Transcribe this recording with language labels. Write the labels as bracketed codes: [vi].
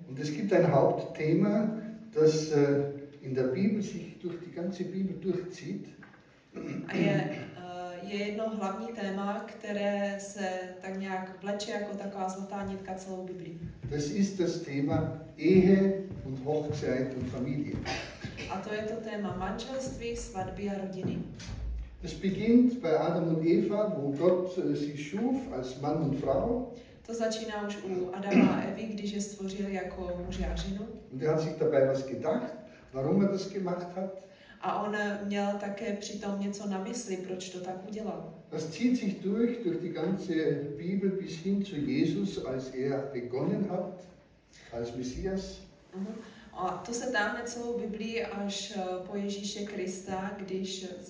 [de] Und es gibt ein Hauptthema, das in der Bibel sich durch die ganze Bibel durchzieht. [cs] A je jedno hlavní téma, které se tak nějak vleče jako taková zlatá nitka celou Bibli. [de] Das ist das Thema Ehe und Hochzeit und Familie. [cs] A to je to téma manželství, svatby a rodiny. [de] Es beginnt bei Adam und Eva, wo Gott sie schuf als Mann und Frau. [cs] To začíná už u Adama a Evy, když je stvořil jako muže a ženu. [de] Und er hat sich dabei was gedacht, warum er das gemacht hat. [cs] A on měl také přitom něco na mysli, proč to tak udělal. [de] Das zieht sich durch die ganze Bibel bis hin zu Jesus, als er begonnen hat, als Messias. [cs] A to se táhne celou Biblii až po Ježíše Krista, když